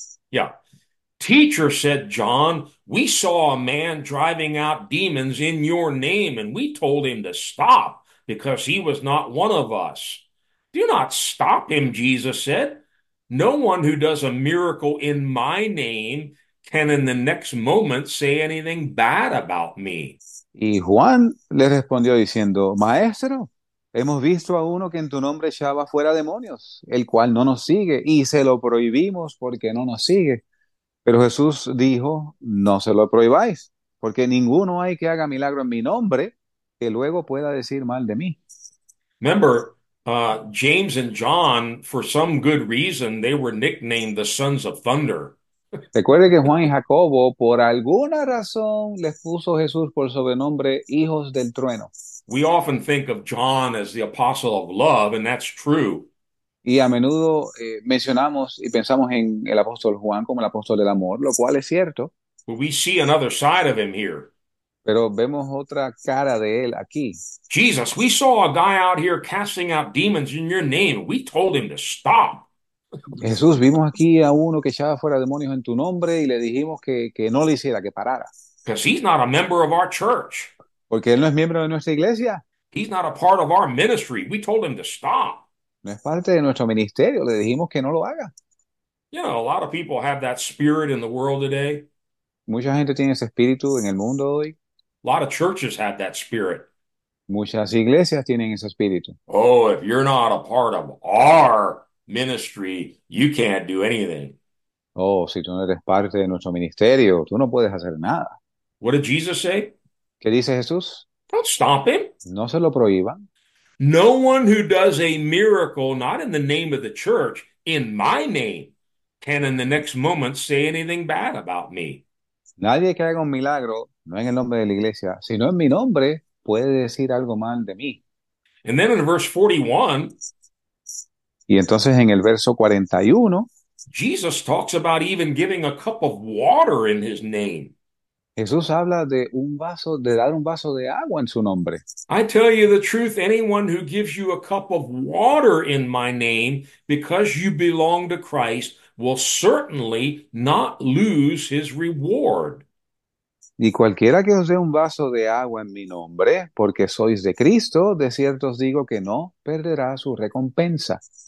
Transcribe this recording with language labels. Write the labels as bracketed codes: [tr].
[en] Yeah. Teacher, said John, we saw a man driving out demons in your name, and we told him to stop because he was not one of us. Do not stop him, Jesus said. No one who does a miracle in my name can in the next moment say anything bad about me. [es] Y Juan le respondió diciendo: Maestro, hemos visto a uno que en tu nombre echaba fuera demonios, el cual no nos sigue, y se lo prohibimos porque no nos sigue. Pero Jesús dijo: No se lo prohibáis, porque ninguno hay que haga milagro en mi nombre que luego pueda decir mal de mí. [en] Remember, James and John, for some good reason, they were nicknamed the Sons of Thunder. [es] Recuerde que Juan y Jacobo, por alguna razón, les puso Jesús por sobrenombre Hijos del Trueno. [en] We often think of John as the Apostle of Love, and that's true. [es] Y a menudo mencionamos y pensamos en el apóstol Juan como el apóstol del amor, lo cual es cierto. [en] But we see another side of him here. [es] Pero vemos otra cara de él aquí. [en] Jesus, we saw a guy out here casting out demons in your name. We told him to stop. [es] Jesús, vimos aquí a uno que echaba fuera demonios en tu nombre y le dijimos que no le hiciera, que parara. [en] Because he's not a member of our church. [es] Porque él no es miembro de nuestra iglesia. [en] He's not a part of our ministry. We told him to stop. [es] No es parte de nuestro ministerio, le dijimos que no lo haga. [en] You know, a lot of people have that spirit in the world today. [es] Mucha gente tiene ese espíritu en el mundo hoy. [en] Lot of churches have that spirit. [es] Muchas iglesias tienen ese espíritu. [en] Oh, if you're not a part of our ministry, you can't do anything. [es] Oh, si tú no eres parte de nuestro ministerio, tú no puedes hacer nada. [en] What did Jesus say? [es] ¿Qué dice Jesús? [en] Don't stop him. [es] No se lo prohíban. [en] No one who does a miracle, not in the name of the church, in my name, can in the next moment say anything bad about me. [es] Nadie que haga un milagro, no en el nombre de la iglesia, sino en mi nombre, puede decir algo mal de mí. [en] And then in verse 41, [es] Y entonces en el verso 41, [en] Jesus talks about even giving a cup of water in his name. [es] Jesús habla de un vaso, de dar un vaso de agua en su nombre. [en] I tell you the truth, anyone who gives you a cup of water in my name because you belong to Christ will certainly not lose his reward. [es] Y cualquiera que os dé un vaso de agua en mi nombre, porque sois de Cristo, de cierto os digo que no perderá su recompensa.